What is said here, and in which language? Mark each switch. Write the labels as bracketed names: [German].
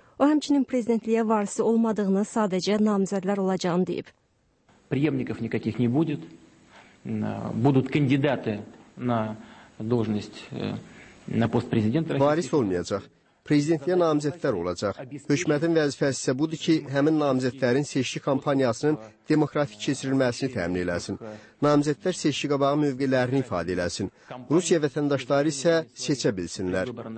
[Azerbaijani] O həmçinin prezidentliyə varisi olmadığını, sadəcə namizədlər olacağını deyib. [Russian] Приемников никаких не будет. Будут кандидаты на должность на пост президента России. [Azerbaijani] Varis olmayacaq. Prezidentliyə namizədlər olacaq. Hökumətin vəzifəsi isə budur ki, həmin namizədlərin seçki kampaniyasının demokratik keçirilməsini təmin eləsin. Namizədlər seçki qabağı mövqelərini ifadə eləsin. Rusiya vətəndaşları isə seçə bilsinlər.